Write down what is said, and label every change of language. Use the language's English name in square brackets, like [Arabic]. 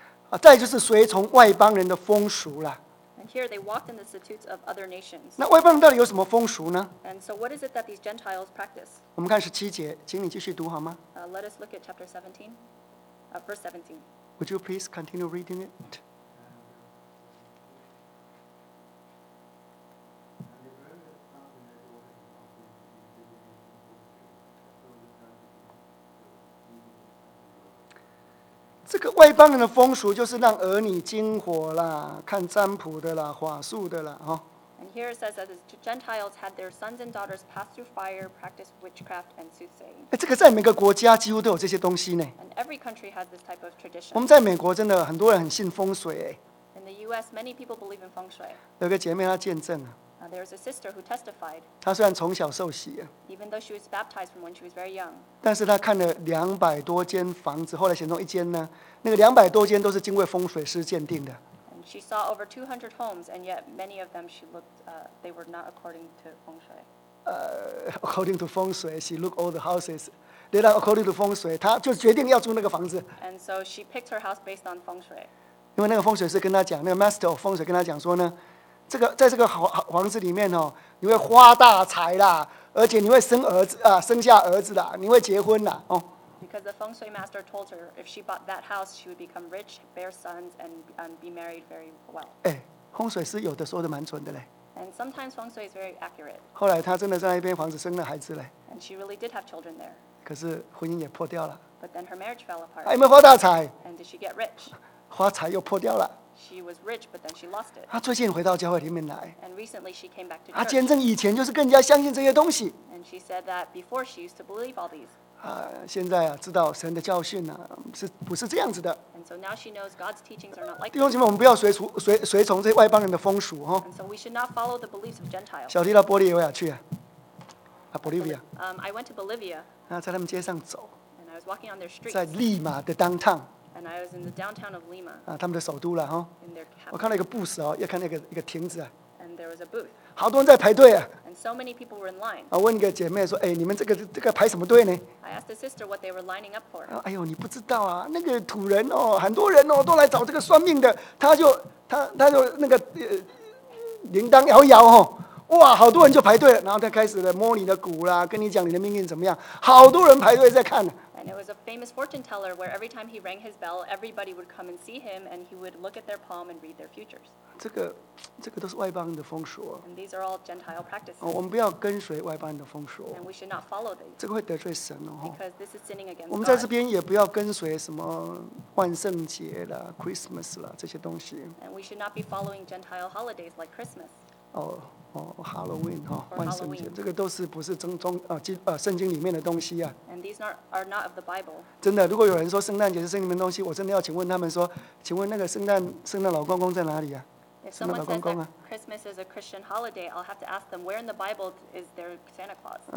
[Chinese] Ah, 再就是随从外邦人的风俗了。 [English] And here they walked in the statutes of other nations. [Chinese] 那外邦人到底有什么风俗呢 [English] ？And so what is it that these Gentiles practice? [Chinese] 我们看十七节，请你继续读好吗 [English] ？Let us look at chapter 17, verse 17. Would you please continue reading it? [Chinese] 这个外邦人的风俗就是让儿女惊火啦，看占卜的啦，法术的啦，哈。 [English] And here it says that the Gentiles had their sons and daughters pass through fire, practice witchcraft and soothsaying. [Chinese] 这个在每个国家几乎都有这些东西呢。 [English] And every country has this type of tradition. [Chinese] 我们在美国真的很多人很信风水哎。 [English] In the U.S., many people believe in feng shui. [Chinese] 有个姐妹她见证啊。 [English] There is a sister who testified. [Chinese] 她虽然从小受洗啊。 [English] Even though she was baptized from when she was very young. [Chinese] 但是她看了两百多间房子，后来选中一间呢。那个两百多间都是经过风水师鉴定的。 [English] And she saw over 200 homes, and yet many of them she looked, they were not according to feng shui. According to feng shui, she looked all the houses. They are according to feng shui. [Chinese] 她就决定要住那个房子。 [English] And so she picked her house based on feng shui. [Chinese] 因为那个风水师跟她讲，那个 [English] master of feng shui [Chinese] 跟她讲说呢。这个在这个房子里面、哦、你会花大财啦，而且你会生儿子、生下儿子啦，你会结婚啦、哦、 [English] because the feng shui master told her if she bought that house, she would become rich, bear sons, and be married very well. [Chinese] 哎，风水师有的说的蛮准的嘞。 [English] And sometimes feng shui is very accurate. [Chinese] 后来她真的在那边房子生了孩子嘞。 [English] And she really did have children there. [Chinese] 可是婚姻也破掉了。 [English] But then her marriage fell apart. [Chinese] 还没发大财。 [English] And did she get rich? [Chinese] 发财又破掉了。 [English] She was rich, but then she lost it. [Chinese] 她最近回到教会里面来。 [English] And recently she came back to church. [Chinese] 她见证以前就是更加相信这些东西。 [English] And she said that before she used to believe all these. [Chinese] 现在啊，知道神的教训啊，是不是这样子的？ [English] And so now she knows God's teachings are not like. [Chinese] 弟兄姐妹，我们不要随从这些外邦人的风俗哈。 [English] And so we should not follow the beliefs of Gentiles. [Chinese] 小弟到玻利维亚去啊，Bolivia. [English] I went to Bolivia. [Chinese] 那在他们街上走。 [English] And I was walking on their streets. [Chinese] 在利马的 downtown. [English] And I was in the downtown of Lima. [Chinese] 他们的首都了哈。 [English] In their capital. [Chinese] 我看到一个 booth 哦，要看一个亭子啊。 [English] And there was a booth. [Chinese] 好多人在排队啊。 [English] And so many people were in line. [Chinese] 我问一个姐妹说，哎，你们这个排什么队呢？ [English] I asked a sister what they were lining up for. [Chinese] 哎呦，你不知道啊，那个土人哦，很多人哦，都来找这个算命的，他就那个铃铛摇摇哦。哇，好多人就排队了，然后他开始了摸你的骨啦，跟你讲你的命运怎么样，好多人排队在看。 [English] And it was a famous fortune teller where every time he rang his bell, everybody would come and see him, and he would look at their palm and read their futures. [Chinese] 这个都是外邦人的风俗。 [English] And these are all Gentile practices. [Chinese] 我们不要跟随外邦人的风俗。 [English] And we should not follow these. [Chinese] 这个会得罪神哦。 [English] Because this is sinning against God. [Chinese] 我们在这边也不要跟随什么万圣节啦、Christmas 啦这些东西。 [English] And we should not be following Gentile holidays like Christmas. [Chinese] Halloween 哈，万圣节，这个都是不是圣经里面的东西啊。 [English] And these are not of the Bible. [Chinese] 真的，如果有人说圣诞节是圣经里面的东西，我真的要请问他们说，请问那个圣诞老公公在哪里啊？圣诞老公公啊。 [English] If someone says that Christmas is a Christian holiday, I'll have to ask them where in the Bible is there Santa Claus?